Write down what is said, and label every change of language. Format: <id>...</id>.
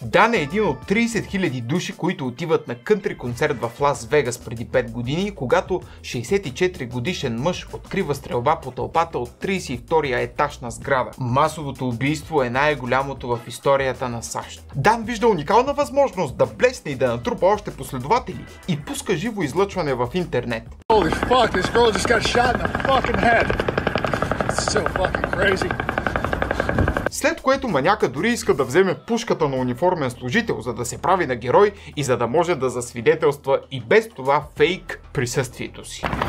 <bg>Дан е един от 30 000 души, които отиват на кънтри концерт в Лас Вегас преди 5 години, когато 64 годишен мъж открива стрелба по тълпата от 32-я етаж на сграда. Масовото убийство е най-голямото в историята на САЩ. Дан вижда уникална възможност да блесне и да натрупа още последователи и пуска живо излъчване в интернет.</bg> <en>Holy fuck, this girl just got shot in the fucking head. It's so fucking crazy.</en> <bg>След което маняка дори иска да вземе пушката на униформен служител, за да се прави на герой и за да може да засвидетелства и без това фейк присъствието си.</bg>